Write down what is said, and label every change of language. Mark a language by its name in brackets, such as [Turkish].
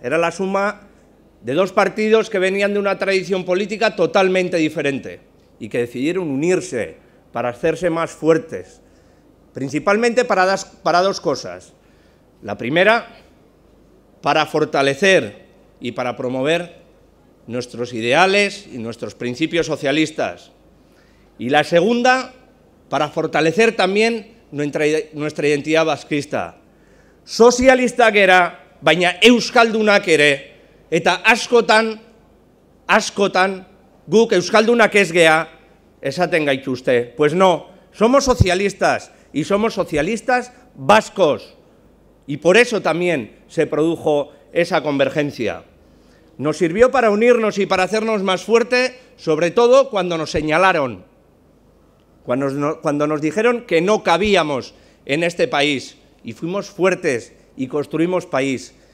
[Spanish] Era la suma de dos partidos que venían de una tradición política totalmente diferente y que decidieron unirse para hacerse más fuertes, principalmente para dos cosas. La primera, para fortalecer y para promover nuestros ideales y nuestros principios socialistas. Y la segunda, para fortalecer también nuestra identidad vasquista. [Basque] Socialistak era, baina euskaldunak ere, eta askotan, guk euskaldunak ez gea, esaten gaituzte. [Spanish] Pues no, somos socialistas y somos socialistas vascos. Y por eso también se produjo esa convergencia. Nos sirvió para unirnos y para hacernos más fuerte, sobre todo cuando nos señalaron, cuando nos dijeron que no cabíamos en este país y fuimos fuertes y construimos país.